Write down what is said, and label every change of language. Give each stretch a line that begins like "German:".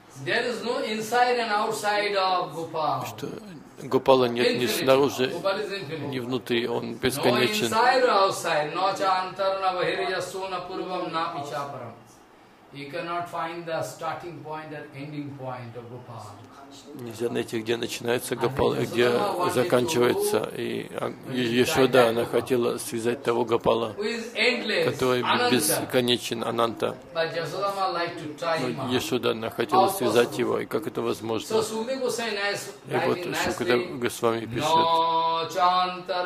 English: there is no inside and outside of Gopal.
Russian: Что Гопала нет ни снаружи, ни внутри, он бесконечен.
English: No inside or outside,
Sanskrit: no chantarna vahirya suna purvam na pichaparam.
English: You cannot find the starting point or ending point of Gopal.
Russian: Нельзя найти, где начинается Гопал и где заканчивается. И Ясода, она хотела связать того Гопала, который бесконечен, Ананта. Но Ясода, она хотела связать его, и как это возможно? И вот Шукадев Госвами пишет.